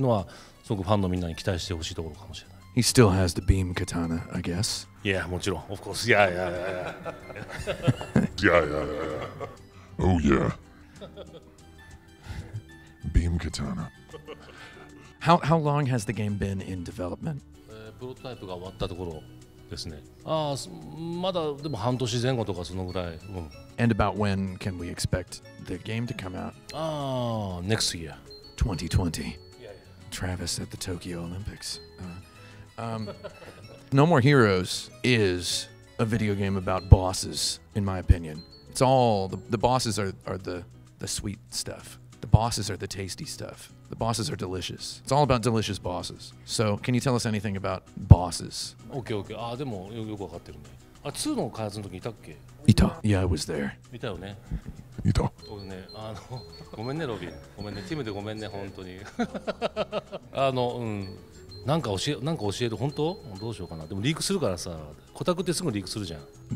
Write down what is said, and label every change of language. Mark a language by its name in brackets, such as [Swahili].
[Japanese] まあちょうどTSAのエンディングから大体2年ぐらい、2年後の話がこのノーマルヒーローズ3になります。ストーリーとしてはすごくつながってますね。その深いつながりがある。何があったのかっていうのも含めて、トラビスがの物語っていうのがどういうふうに進行していくのかっていうのは、すごくファンのみんなに期待してほしいところかもしれない。 [English] He still has the beam katana, I guess. Yeah, [Japanese] もちろん, [English] of course. Yeah. Yeah. Oh, yeah. Beam katana. How long has the game been in development? [Japanese] プロトタイプが終わったところですね。ああ、まだでも半年前後とかそのぐらい。うん。 [English] And about when can we expect the game to come out? Ah, next year. 2020. Yeah. Travis at the Tokyo Olympics. No More Heroes is a video game about bosses, in my opinion. It's all, the bosses are the sweet stuff. The bosses are the tasty stuff. The bosses are delicious. It's all about delicious bosses. So, can you tell us anything about bosses? Okay, okay. [Japanese] Ah, でもよくわかってるね。あ、2の開発の時いたっけ？いた。 [English] Yeah, I was there. [Japanese] いたよね。いた。そうね、あの、ごめんね、ロビン。ごめんね、チームでごめんね、本当に。あの、うん。なんか教え、なんか教える、本当？どうしようかな。でもリークするからさ、コタクってすぐリークするじゃん。